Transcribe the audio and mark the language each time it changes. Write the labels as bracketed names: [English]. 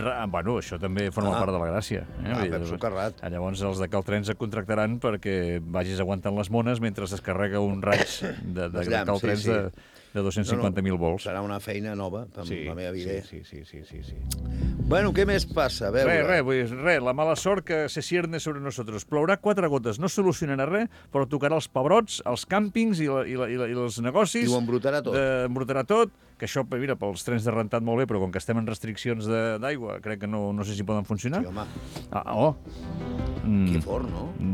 [Catalan] Bueno, això també forma part de la gràcia. Pep Socarrat. Llavors els de Caltrens et contractaran perquè vagis aguantant les mones mentre es descarrega un raig de Caltrens sí. De 250.000 no, volts. Serà una feina nova, la meva vida. Sí. Bueno, què més passa? A veure. [Spanish] La mala sort que se cierne sobre nosotros. [Catalan] Plourà 4 gotes, no solucionarà res, però tocarà els pebrots, els càmpings i els negocis. I ho embrutarà tot. Embrutarà tot. Que això, mira, pels trens de rentat molt bé, però com que estem en restriccions d'aigua, crec que no sé si poden funcionar. Sí, home. Quin fort, no?